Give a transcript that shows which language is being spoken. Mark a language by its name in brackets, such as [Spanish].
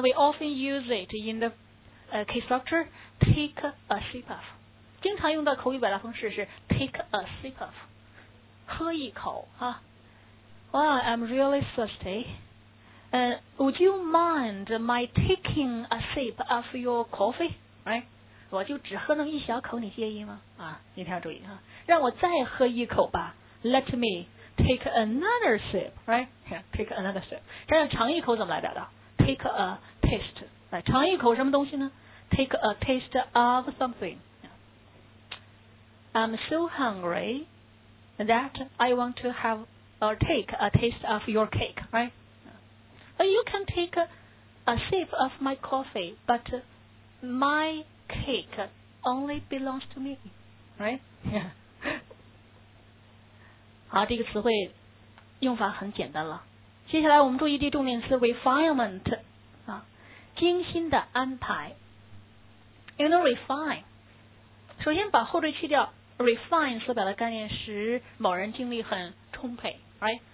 [English] We often use it in the key structure. Take a sip of. [Chinese] 经常用到口语表达方式是 [English] take a sip of. [Chinese] 喝一口啊 [English] Well, I'm really thirsty. Would you mind my taking a sip of your coffee? Right? [Chinese] 我就只喝那么一小口，你介意吗？啊，一定要注意啊，让我再喝一口吧。 [English] Let me take another sip. Right? Yeah, take another sip. [Chinese] 想想尝一口怎么来表达 [English] ？Take a taste. [Chinese] 来，尝一口什么东西呢 [English] ？Take a taste of something. I'm so hungry. That I want to have or take a taste of your cake, right? You can take a sip of my coffee, but my cake only belongs to me, right? [Chinese] 好，这个词汇用法很简单了。接下来我们注意的重点词 refinement, 啊，精心的安排。 [English] You know refine. [Chinese] 首先把后缀去掉。Refine 所表达的概念是某人精力很充沛 ，right?